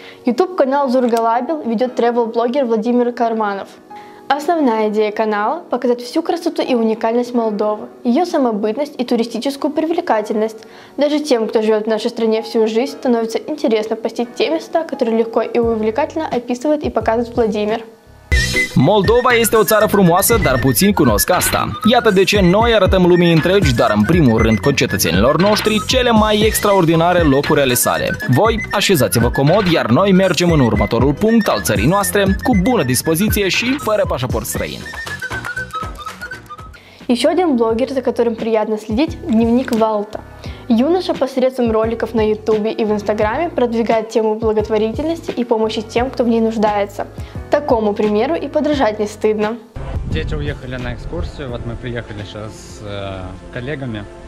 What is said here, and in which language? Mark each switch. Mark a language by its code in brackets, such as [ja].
[ru] YouTube-канал Зургалабил ведет travel-блогер Владимир Карманов. Основная идея канала – показать всю красоту и уникальность Молдовы, ее самобытность и туристическую привлекательность. Даже тем, кто живет в нашей стране всю жизнь, становится интересно посетить те места, которые легко и увлекательно описывает и показывает Владимир. [ro] Moldova este o țară frumoasă, dar puțin cunosc asta. Iată de ce noi arătăm lumii întregi, dar în primul rând concetățenilor noștri, cele mai extraordinare locuri ale sale. Voi așezați-vă comod, iar noi mergem în următorul punct al țării noastre, cu bună dispoziție și fără pașaport străin. [ru] Еще один блогер, за которым приятно следить, дневник Валта. Юноша посредством роликов на Ютубе и в Инстаграме продвигает тему благотворительности и помощи тем, кто в ней нуждается. Такому примеру и подражать не стыдно. Дети уехали на экскурсию, вот мы приехали сейчас с коллегами.